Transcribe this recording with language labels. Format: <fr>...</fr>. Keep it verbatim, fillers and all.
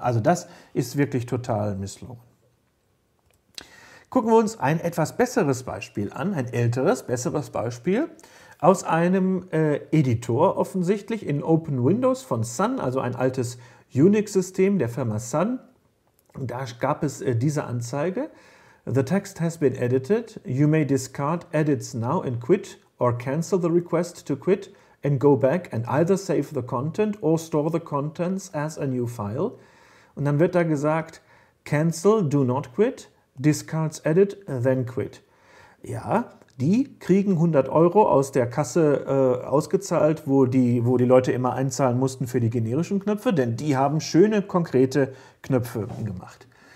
<de>Also das ist wirklich total misslungen. Gucken wir uns ein etwas besseres Beispiel an, ein älteres, besseres Beispiel aus einem äh, Editor offensichtlich in Open Windows von Sun, also ein altes Unix-System der Firma Sun. Und da gab es äh, diese Anzeige:</de> <en>The text has been edited. You may discard edits now and quit or cancel the request to quit and go back and either save the content or store the contents as a new file.</en> <de>Und dann wird da gesagt,</de> <en>cancel, do not quit. Discards edit, then quit.</en> <de>Ja, die kriegen hundert Euro aus der Kasse äh, ausgezahlt, wo die, wo die Leute immer einzahlen mussten für die generischen Knöpfe, denn die haben schöne, konkrete Knöpfe gemacht.</de>